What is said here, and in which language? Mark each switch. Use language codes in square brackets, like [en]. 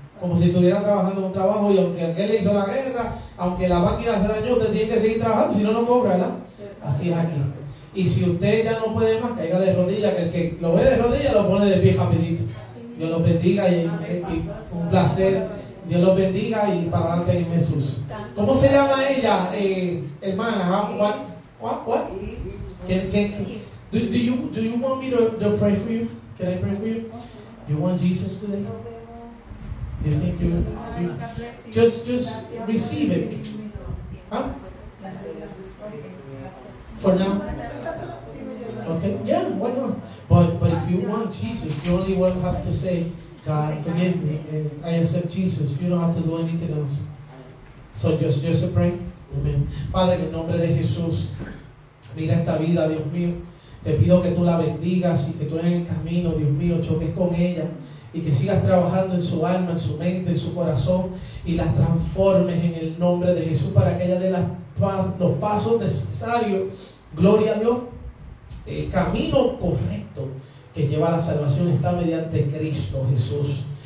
[es] Como si estuviera trabajando en un trabajo y aunque aquel le hizo la guerra, aunque la máquina se dañó, usted tiene que seguir trabajando, si no, no cobra, ¿verdad? Así es aquí. Y si usted ya no puede más, caiga de rodillas, que el que lo ve de rodillas lo pone de pie rapidito. Dios los bendiga y un placer. Dios los bendiga y para adelante en Jesús. ¿Cómo se llama ella, hermana? What? [en] Do you want me to pray for you? Can I pray for you? You want Jesus today? You think you just receive it? Huh? For now, okay, yeah, why not? But if you want Jesus, you only will have to say, God, forgive me, and I accept Jesus. You don't have to do anything else. So just pray. Amen. [es] Padre, en el nombre de Jesús, mira esta vida, Dios mío. Te pido que tú la bendigas y que tú en el camino, Dios mío, choques con ella y que sigas trabajando en su alma, en su mente, en su corazón y la transformes en el nombre de Jesús para que ella dé los pasos necesarios, gloria a Dios, el camino correcto que lleva a la salvación está mediante Cristo Jesús.